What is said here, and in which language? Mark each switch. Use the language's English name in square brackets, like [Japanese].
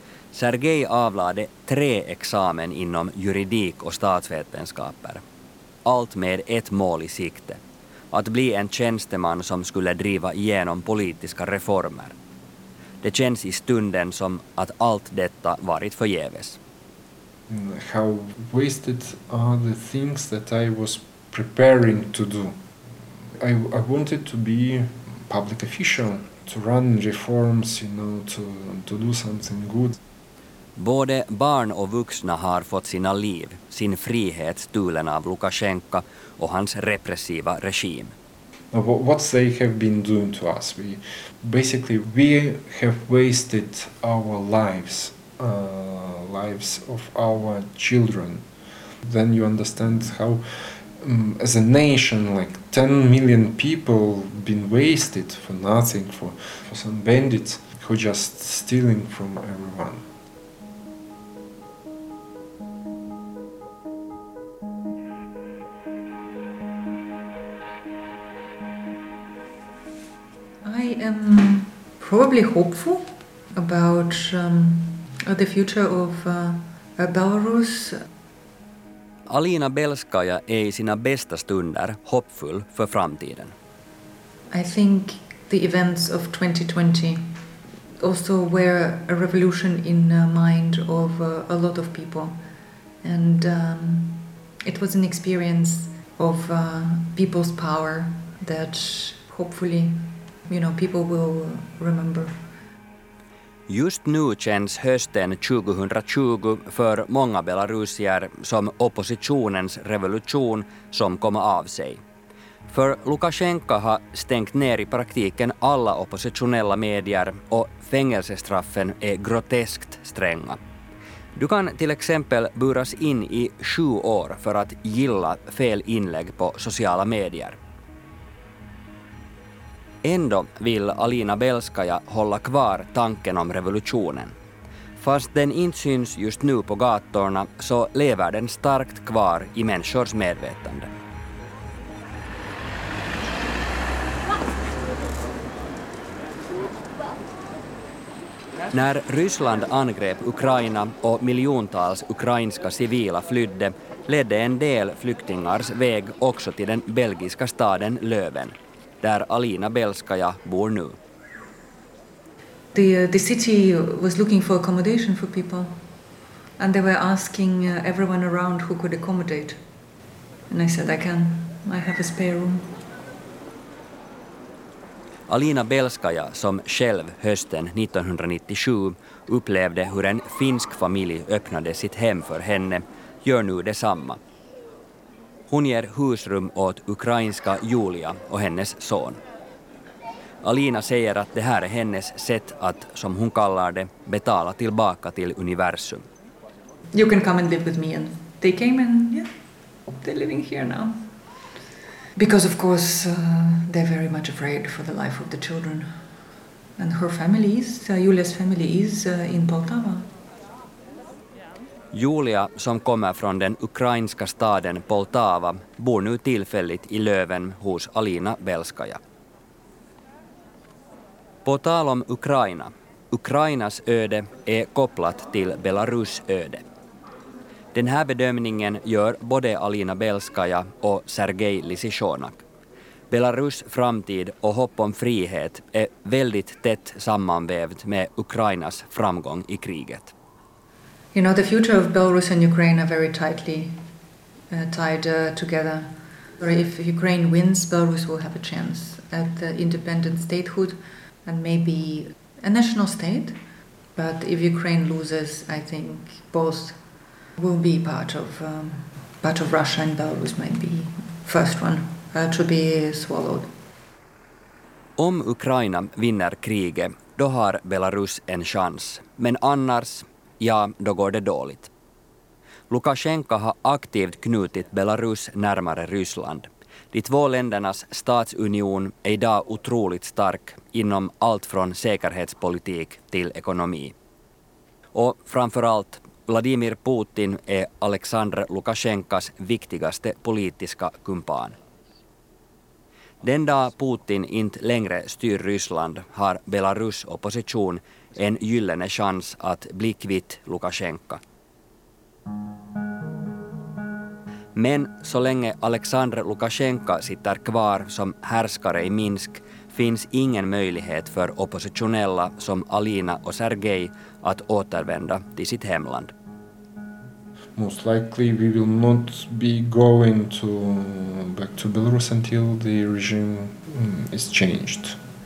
[Swedish] Sergej avlade 3 examen inom juridik och statsvetenskaper. Allt med ett mål i sikte. Att bli en tjänsteman som skulle driva igenom politiska reformer. Det känns i stunden som att allt detta varit förgäves. [English] How wasted are the things that I was preparing to do. I wanted to be public official, to run reforms, you know, to do something good. [Swedish] Både barn och vuxna har fått sina liv, sin frihet stulen av Lukashenko och hans repressiva regim. [English] What they have been doing to us, we have wasted our lives. Lives of our children. Then you understand how as a nation like 10 million people been wasted for nothing, for some bandits who just stealing from everyone. Mm-hmm. I am probably hopeful about the future of Belarus. [Swedish] Alina Belskaja är i sina bästa stunder hoppfull för framtiden. [English] I think the events of 2020 also were a revolution in the mind of a lot of people. And it was an experience of people's power that hopefully, you know, people will remember. [Swedish] Just nu känns hösten 2020 för många belarusier som oppositionens revolution som kom av sig. För Lukashenko har stängt ner i praktiken alla oppositionella medier och fängelsestraffen är groteskt stränga. Du kan till exempel buras in i 7 år för att gilla fel inlägg på sociala medier. Ändå vill Alina Belskaja hålla kvar tanken om revolutionen. Fast den inte syns just nu på gatorna så lever den starkt kvar i människors medvetande. När Ryssland angrep Ukraina och miljontals ukrainska civila flydde ledde en del flyktingars väg också till den belgiska staden Löven, där Alina Belskaja bor nu. [English] The city was looking for accommodation for people and they were asking everyone around who could accommodate. And I said I can, I have a spare room. [Swedish] Alina Belskaja, som själv hösten 1997 upplevde hur en finsk familj öppnade sitt hem för henne, gör nu detsamma. Hon ger husrum åt ukrainska Julia och hennes son. Alina säger att det här är hennes sätt att, som hon kallar det, betala tillbaka till universum. [English] You can come and live with me. And they came and yeah, they're living here now. Because of course they're very much afraid for the life of the children. And her family is, Julia's family is in Poltava. [Swedish] Julia, som kommer från den ukrainska staden Poltava, bor nu tillfälligt i Löven hos Alina Belskaja. På tal om Ukraina. Ukrainas öde är kopplat till Belarus öde. Den här bedömningen gör både Alina Belskaja och Sergej Lisichonak. Belarus framtid och hopp om frihet är väldigt tätt sammanvävt med Ukrainas framgång i kriget. [English] You know, the future of Belarus and Ukraine are very tightly tied together. If Ukraine wins, Belarus will have a chance at independent statehood and maybe a national state. But if Ukraine loses, I think both will be part of Russia, and Belarus might be first one to be swallowed. [Swedish] Om Ukraina vinner kriget, då har Belarus en chans. Men annars, ja, då går det dåligt. Lukashenko har aktivt knutit Belarus närmare Ryssland. De två ländernas statsunion är idag otroligt stark inom allt från säkerhetspolitik till ekonomi. Och framförallt, Vladimir Putin är Alexander Lukashenkas viktigaste politiska kumpan. Den dag Putin inte längre styr Ryssland har Belarus opposition en gyllene chans att bli kvitt Lukashenko. Men så länge Alexander Lukashenko sitter kvar som härskare i Minsk finns ingen möjlighet för oppositionella som Alina och Sergej att återvända till sitt hemland. [English] Most likely we will not be going to back to Belarus until the regime is changed.